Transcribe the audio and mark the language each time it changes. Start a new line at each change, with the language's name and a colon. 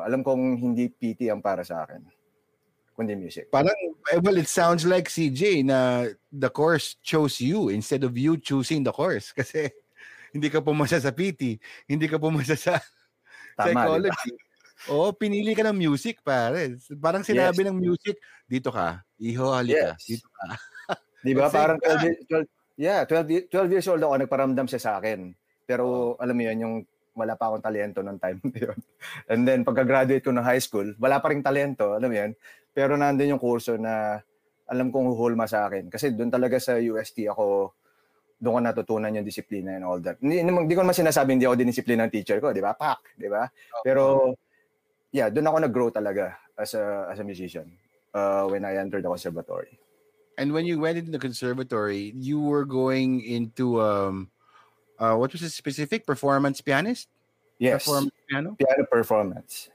Filipino: Alam kong hindi PT ang para sa akin, kundi music. Parang,
English: well, it sounds like CJ na the course chose you instead of you choosing the course.
Filipino: Kasi hindi ka pumasa sa PT, hindi ka pumasa sa tama, psychology. Diba? Oh, pinili ka ng music, pare. Parang sinabi ng music, dito ka, iho, halika, dito ka. Diba? Parang 12 years old ako, nagparamdam siya sa akin. Pero alam mo yun, yung wala pa akong talento noong time na yun.
English: And then,
Filipino: pagka-graduate ko ng high school, wala pa rin talento, alam mo yun. Pero nandun yung kurso na alam kong huhulma sa akin. Kasi doon talaga sa UST ako, doon ko natutunan yung disiplina
English: and all that.
Filipino: Hindi ko naman sinasabi, hindi ako dinisiplina ng teacher ko, diba? Pak, diba?
English: Pero, yeah,
Filipino: doon ako nag-grow talaga
English: as a musician when I entered the conservatory. And when you went into the conservatory, you were going into what was it, specific performance pianist? Yes. Performance piano? Piano performance.